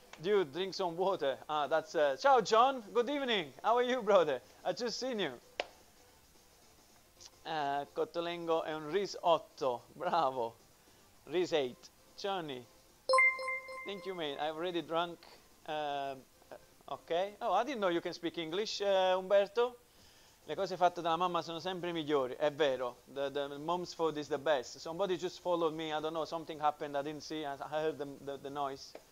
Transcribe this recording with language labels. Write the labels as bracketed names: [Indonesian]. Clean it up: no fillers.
[English] Dude, drink some water. Ah, that's. Ciao, John. Good evening. How are you, brother? I just seen you. [Italian] Cottolengo è un RIS 8. Bravo. [English] RIS 8. Johnny. Thank you, mate. I've already drunk. Okay. Oh, I didn't know you can speak English, Umberto. [Italian] Le cose fatte dalla mamma sono sempre migliori, è vero. [English] The mom's food is the best. Somebody just followed me, I don't know, something happened, I didn't see, I heard the noise.